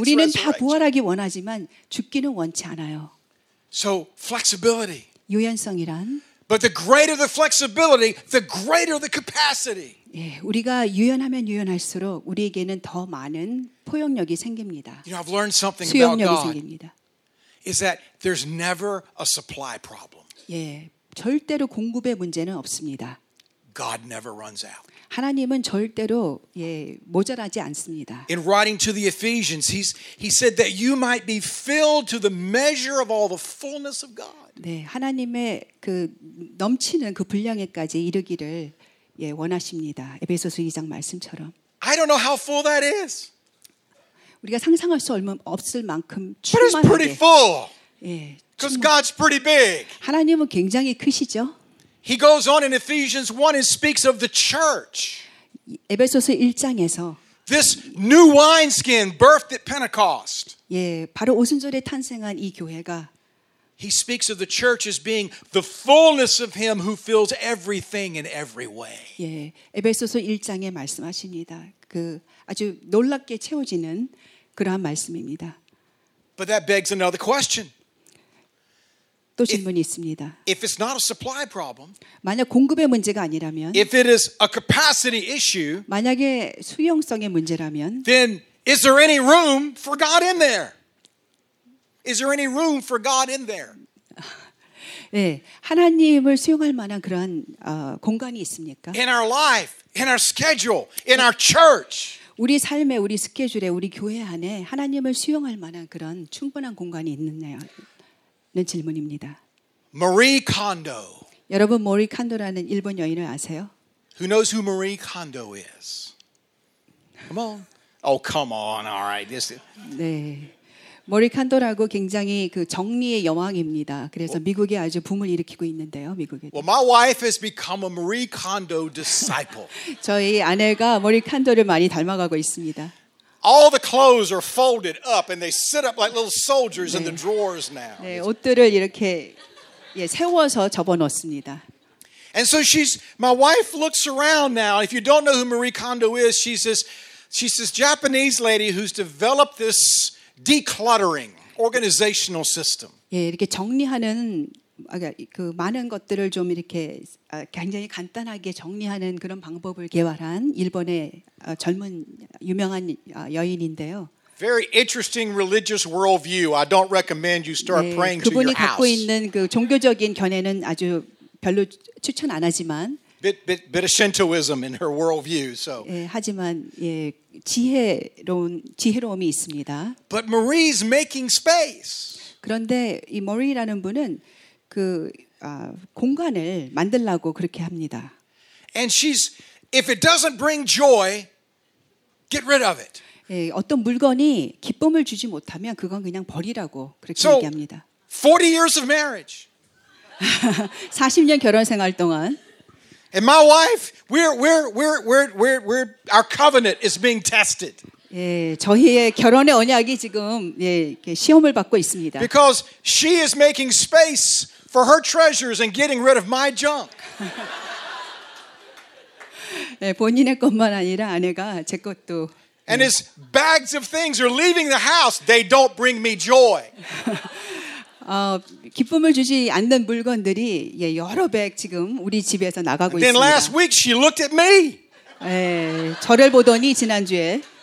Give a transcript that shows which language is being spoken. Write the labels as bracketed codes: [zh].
[ko] 우리는 다 부활하기 원하지만 죽기는 원치 않아요. [en] So flexibility. [ko] 유연성이란. [en] But the greater the flexibility, the greater the capacity. [ko] 예, 우리가 유연하면 유연할수록 우리에게는 더 많은 포용력이 생깁니다. [en] You know, I've learned something [ko] 수용력이 [en] about God [ko] 생깁니다. [en] Is that there's never a supply problem. [ko] 예, 절대로 공급의 문제는 없습니다. [en] God never runs out. [ko] 하나님은 절대로 예, 모자라지 않습니다. [en] In writing to the Ephesians, he said that you might be filled to the measure of all the fullness of God. [ko] 네, 하나님의 그 넘치는 그 분량에까지 이르기를 예, 원하십니다. 에베소서 2장 말씀처럼. [en] I don't know how full that is. [ko] 우리가 상상할 수 없을 만큼 충만하게. [en] But it's pretty full. [ko] 예, [en] Because God's pretty big. [ko] 하나님은 굉장히 크시죠? [en] He goes on in Ephesians 1 and speaks of the church. [ko] 에베소서 1장에서 [en] This new wineskin birthed at Pentecost. [ko] 예, 바로 오순절에 탄생한 이 교회가 [en] He speaks of the church as being the fullness of him who fills everything in every way. [ko] 예, 에베소서 1장에 말씀하십니다. 그 아주 놀랍게 채워지는 그러한 말씀입니다. [en] But that begs another question. [ko] 또 질문이 있습니다. [en] If it's not a supply problem, [ko] 만약 공급의 문제가 아니라면, [en] if it is a capacity issue, [ko] 만약에 수용성의 문제라면, [en] then is there any room for God in there? Is there any room for God in there? [ko] 예, 하나님을 수용할 만한 그런 공간이 있습니까? [en] In our life, in our schedule, in our church. [ko] 우리 삶에, 우리 스케줄에, 우리 교회 안에 하나님을 수용할 만한 그런 충분한 공간이 있느냐는 질문입니다. [en] Marie Kondo. [ko] 여러분, 머리 칸도라는 일본 여인을 아세요? [en] Who knows who Marie Kondo is? Come on. Oh, come on. All right. This. [ko] 네. 머리 칸도라고 굉장히 그 정리의 여왕입니다. 그래서 well, 미국에 아주 붐을 일으키고 있는데요, 미국에. [en] Well, my wife has become a Marie Kondo disciple. [ko] 저희 아내가 머리 칸도를 많이 닮아가고 있습니다. [en] All the clothes are folded up and they sit up like little soldiers 네. in the drawers now. [ko] 네, 옷들을 이렇게 예, 세워서 접어 놓습니다. [en] And so she's my wife looks around now. If you don't know who Marie Kondo is, she's this Japanese lady who's developed this decluttering organizational system. [ko] 예, 이렇게 정리하는 그 많은 것들을 좀 이렇게 굉장히 간단하게 정리하는 그런 방법을 개발한 일본의 젊은 유명한 여인인데요. [en] Very interesting religious worldview. I don't recommend you start [ko] 예, [en] praying to your house. [ko] 그분이 갖고 있는 그 종교적인 견해는 아주 별로 추천 안 하지만 [en] bit of Shintoism in her worldview. So. [ko] 예, 하지만 예, 지혜로움이 있습니다. [en] But Marie's making space. [ko] 그런데 이 머리라는 분은 그 공간을 만들라고 그렇게 합니다. [en] And she's if it doesn't bring joy, get rid of it. [ko] 예, 어떤 물건이 기쁨을 주지 못하면 그건 그냥 버리라고 그렇게 [en] so, [ko] 얘기합니다. [en] 40 years of marriage. [ko] 40년 결혼 생활 동안 [en] And my wife, we're our covenant is being tested. [ko] 예, 저희의 결혼의 언약이 지금 예, 이렇게 시험을 받고 있습니다. [en] Because she is making space for her treasures and getting rid of my junk. [ko] 예, 본인의 것만 아니라 아내가 제 것도. 예. [en] And his bags of things are leaving the house. They don't bring me joy. [ko] 기쁨을 주지 않는 물건들이 예, 여러 백 지금 우리 집에서 나가고 [en] then [ko] 있습니다. [en] Then last week she looked at me. [ko] 예, 저를 보더니 지난주에